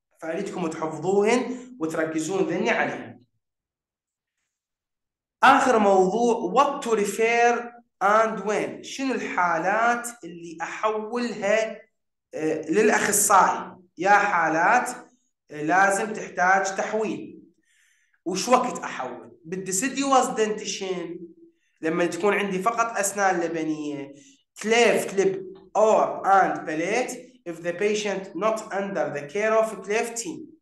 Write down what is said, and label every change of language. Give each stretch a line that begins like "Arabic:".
Arabic: فأريدكم تحفظوهن وتركزون ذني عليهم.
English: آخر موضوع what to refer and when.
Arabic: شنو الحالات اللي أحولها للأخصائي، يا حالات لازم تحتاج تحويل، وش وقت أحول؟ بالديسيديوس دنتيشن لما تكون عندي فقط أسنان لبنية، كليفت لب أور أند باليت
English: if the patient not under the care of cleft team.